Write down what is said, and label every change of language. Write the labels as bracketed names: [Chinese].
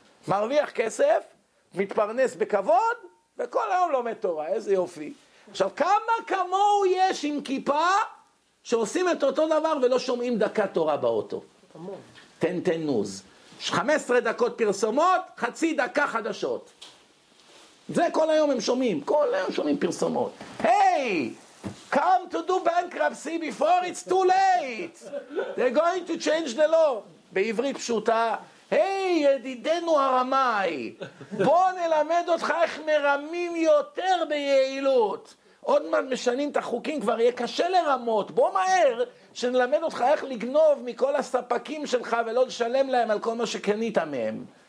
[Hebrew] מרוויח כסף, מתפרנס בכבוד, וכל היום לומד תורה, איזה יופי. עכשיו, כמה כמוהו יש עם כיפה שעושים את אותו דבר ולא שומעים דקת תורה באוטו? תן תן נוז. 15 דקות פרסומות, חצי דקה חדשות. זה כל היום הם שומעים. כל היום שומעים פרסומות. היי! [English] Come to do bankruptcy before it's too late. They're going to change the law. [Hebrew] בעברית פשוטה. היי, ידידנו הרמאי, בוא נלמד אותך איך מרמים יותר ביעילות. עוד מעט משנים את החוקים, כבר יהיה קשה לרמות. בוא מהר שנלמד אותך איך לגנוב מכל הספקים שלך ולא לשלם להם על כל מה שקנית מהם.